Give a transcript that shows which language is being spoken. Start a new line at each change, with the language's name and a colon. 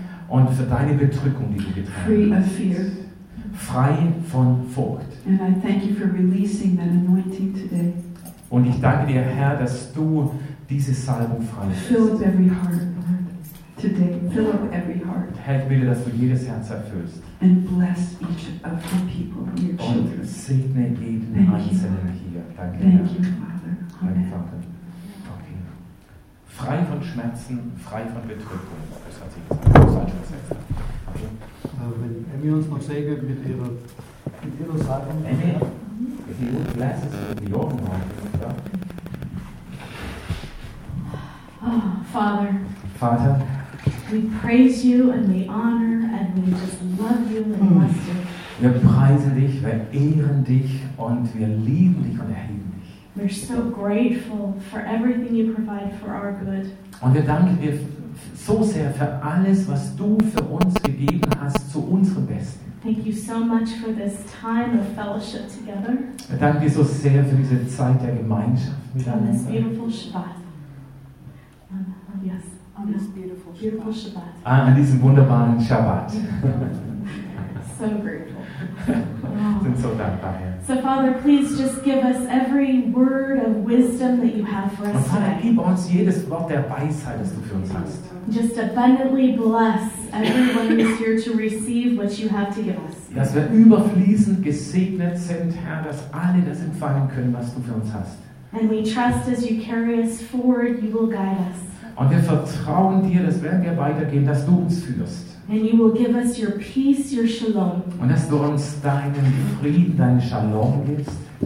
German: und für deine Bedrückung, die du getragen hast. Frei von Furcht.
English: And I thank you for releasing that anointing today.
German: Und ich danke dir, Herr, dass du diese Salbung freilässt.
English: Fill up every heart today. Fill up every heart.
German: Herr, ich bitte, dass du jedes Herz erfüllst.
English: And bless each of the people, your children.
German: Und segne jeden Einzelnen hier. Danke,
English: thank
German: Herr.
English: You, Father.
German: Amen. Okay. Frei von Schmerzen, frei von Bedrückung. Das hat sie gesagt. Das hat wenn Emmy uns noch segnet mit ihrer Salbung.
English: Emmy, if you would bless us with your anointing. Father.
German: Vater.
English: We praise you and we honor and we just love you and bless you.
German: Wir preisen dich, wir ehren dich und wir lieben dich und erheben dich.
English: We're so grateful for everything you provide for our good.
German: Und wir danken dir so sehr für alles, was du für uns gegeben hast, zu unserem Besten.
English: Thank you so much for this time of fellowship together.
German: Danke dir so sehr für diese Zeit der Gemeinschaft miteinander.
English: On this beautiful Shabbat. Yes, on this beautiful Shabbat.
German: An diesem wunderbaren Shabbat.
English: So grateful.
German: Sind so dankbar, Herr.
English: So Father, please just give us every word of wisdom that you have for us.
German: Vater, gib uns jedes Wort der Weisheit, das du für uns hast.
English: Just abundantly bless everyone who is here to receive what you have to give us.
German: Dass wir überfließend gesegnet sind, Herr, dass alle das empfangen können, was du für uns hast.
English: And we trust as you carry us forward, you will guide us.
German: Und wir vertrauen dir, dass während wir weitergehen, dass du uns führst.
English: And you will give us your peace, your shalom.
German: Und dass du uns deinen Frieden, deinen Shalom gibst.